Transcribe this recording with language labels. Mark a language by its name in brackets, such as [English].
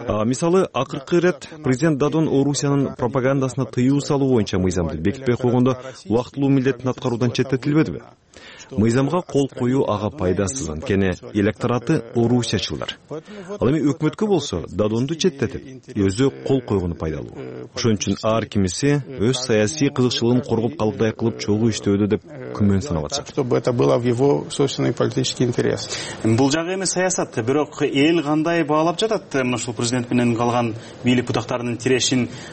[Kyrgyz] Мисалы, акыркы ирет президент Додон Орусиянын пропагандасына тыюу салуу боюнча мыйзамды бекитпей койгондо убактылуу милдетин аткаруудан четтетилбедиби? Мыйзамга кол коюу ага пайдасыз, анткени электораты орусиячылдар. Ал эми өкмөткө болсо Додонду четтетип, өзү кол койгону пайдалуу. Ошон үчүн ар кимиси өз саясий кызыкчылыгын коргоп калгыдай кылып чогуу иштөөдө деп күмөн санап атышат. [Russian] Чтобы это было в его собственный политический интерес. [Kyrgyz] Бул жагы эмес саясат, бирок эл кандай баалап жатат мына ушул президент менен калган бийлик бутактарынын тирешин?